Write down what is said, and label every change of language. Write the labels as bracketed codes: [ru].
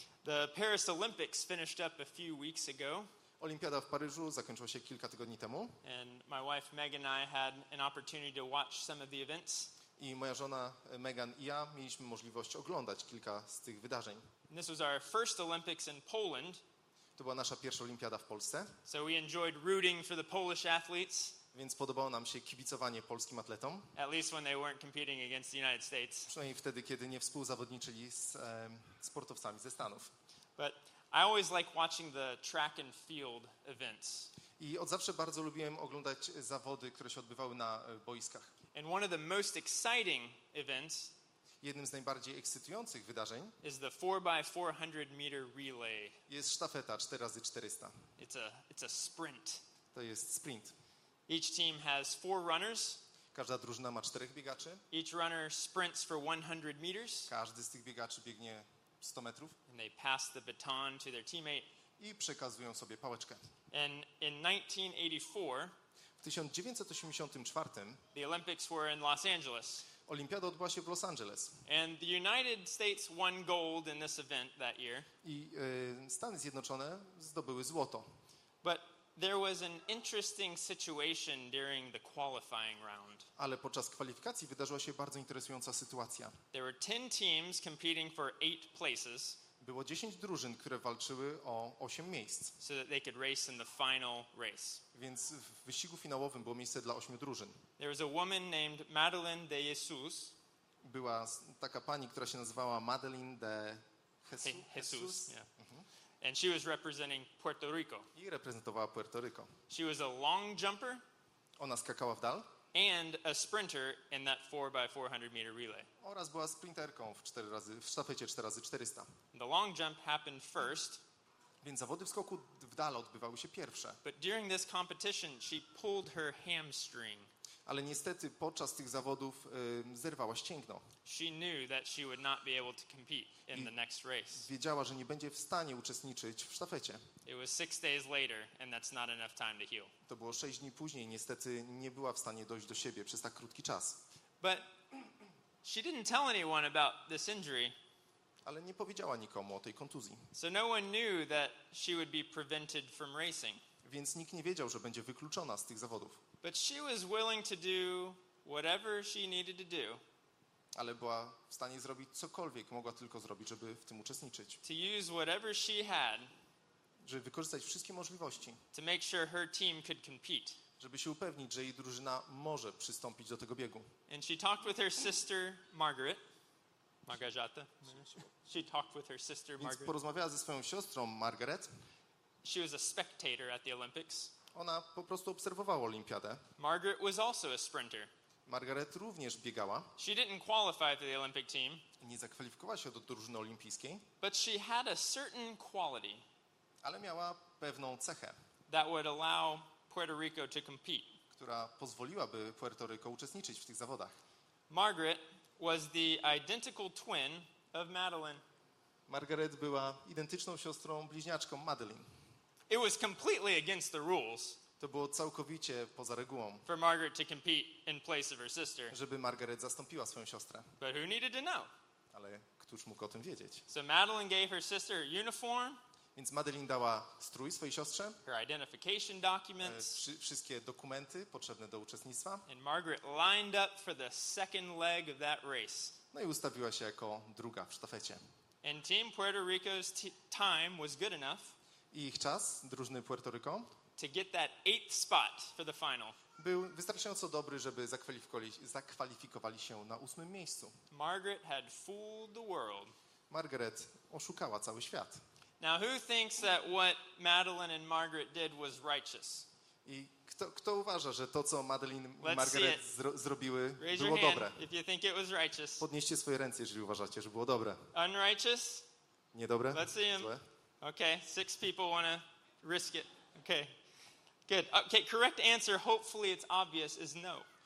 [en] the Paris Olympics finished up a few weeks ago. [pl] Olimpiada w Paryżu zakończyła się kilka tygodni temu. [en] And my wife Meg and I had an opportunity to watch some of the events. [pl] I moja żona Megan i ja mieliśmy możliwość oglądać kilka z tych wydarzeń. [en] And this was our first Olympics in Poland. [pl] To była nasza pierwsza olimpiada w Polsce. [en] So we enjoyed rooting for the Polish athletes. [pl] Więc podobało nam się kibicowanie polskim atletom. [en] At least when they weren't competing against the United States. [pl] Przynajmniej wtedy, kiedy nie współzawodniczyli z sportowcami ze Stanów. [en] But I always like watching the track and field events. [pl] I od zawsze bardzo lubiłem oglądać zawody, które się odbywały na boiskach. [en] And one of the most exciting events, [pl] jednym z najbardziej ekscytujących wydarzeń, [en] is the 4x400 meter relay. [pl] Jest sztafeta 4x400. [en] It's a sprint. [pl] To jest sprint. [en] Each team has four runners. [pl] Każda drużyna ma czterech biegaczy. [en] Each runner sprints for 100 meters. [pl] Każdy z tych biegaczy biegnie 100 metrów. [en] And they pass the baton to their teammate. [pl] I przekazują sobie pałeczkę. [en] And in 1984, [pl] w 1984, [en] the Olympics were in Los Angeles. [pl] Olimpiada odbyła się w Los Angeles. [en] And the United States won gold in this event that year. [pl] I Stany Zjednoczone zdobyły złoto. [en] But there was an interesting situation during the qualifying round. [pl] Ale podczas kwalifikacji wydarzyła się bardzo interesująca sytuacja. [en] There were 10 teams competing for 8 places. [pl] Było 10 drużyn, które walczyły o 8 miejsc. [en] So that they could race in the final race. [pl] Więc w wyścigu finałowym było miejsce dla 8 drużyn. [en] There was a woman named Madeline de Jesus. [pl] Była taka pani, która się nazywała Madeline de Jesus. [en] And she was representing Puerto Rico. [pl] I reprezentowała Puerto Rico. [en] She was a long jumper. [pl] Ona skakała w dal. [en] And a sprinter in that 4x400 meter relay. [pl] Oraz była sprinterką w sztafecie 4x400. [en] The long jump happened first. [pl] Więc zawody w skoku w dal odbywały się pierwsze. [en] But during this competition she pulled her hamstring. [pl] Ale niestety podczas tych zawodów zerwała ścięgno. [en] She knew that she would not be able to compete in the next race. [pl] Wiedziała, że nie będzie w stanie uczestniczyć w sztafecie. [en] It was 6 days later and that's not enough time to heal. [pl] To było 6 dni później, niestety nie była w stanie dojść do siebie przez tak krótki czas. [en] But she didn't tell anyone about this injury. [pl] Ale nie powiedziała nikomu o tej kontuzji. [en] So no one knew that she would be prevented from racing. [pl] Więc nikt nie wiedział, że będzie wykluczona z tych zawodów. [en] But she was willing to do whatever she needed to do. [pl] Ale była w stanie zrobić cokolwiek mogła tylko zrobić, żeby w tym uczestniczyć. [en] To use whatever she had. [pl] Żeby wykorzystać wszystkie możliwości. [en] To make sure her team could compete. [pl] Żeby się upewnić, że jej drużyna może przystąpić do tego biegu. [en] And she talked with her sister Margaret. Margarzata. She talked with her sister Margaret. [pl] Więc porozmawiała ze swoją siostrą Margaret. [en] She was a spectator at the Olympics. [pl] Ona po prostu obserwowała olimpiadę. [en] Margaret was also a sprinter. [pl] Margaret również biegała. [en] She didn't qualify for the Olympic team. [pl] Nie zakwalifikowała się do drużyny olimpijskiej. [en] But she had a certain quality. [pl] Ale miała pewną cechę. [en] That would allow Puerto Rico to compete. [pl] Która pozwoliłaby Puerto Rico uczestniczyć w tych zawodach. [en] Margaret was the identical twin of Madeline. [pl] Margaret była identyczną siostrą bliźniaczką Madeline. [en] It was completely against the rules. [pl] To było całkowicie poza regułą. [en] For Margaret to compete in place of her sister. [pl] Żeby Margaret zastąpiła swoją siostrę. [en] But who needed to know? [pl] Ale któż mógł o tym wiedzieć? [en] So Madeline gave her sister a uniform. [pl] Więc Madeline dała strój swojej siostrze. [en] Her identification documents. [pl] Wszystkie dokumenty potrzebne do uczestnictwa. [en] And Margaret lined up for the second leg of that race. [pl] No i ustawiła się jako druga w sztafecie. [en] And Team Puerto Rico's time was good enough. [pl] I ich czas, drużyny Puerto Rico, [en] to get that eighth spot for the final. [pl] Był wystarczająco dobry, żeby zakwalifikowali się na ósmym miejscu. [en] Margaret had fooled the world. [pl] Margaret oszukała cały świat. [en] Now who thinks that what Madeline and Margaret did was righteous? [pl] I kto uważa, że to, co Madeline i Margaret zrobiły, było dobre? [en] If you think it was righteous. [pl] Podnieście swoje ręce, jeżeli uważacie, że było dobre. [en] Unrighteous? [pl] Niedobre? [en] Let's see him. Okay, six people want to risk it. Okay, good. Okay, correct answer, hopefully it's obvious, is no.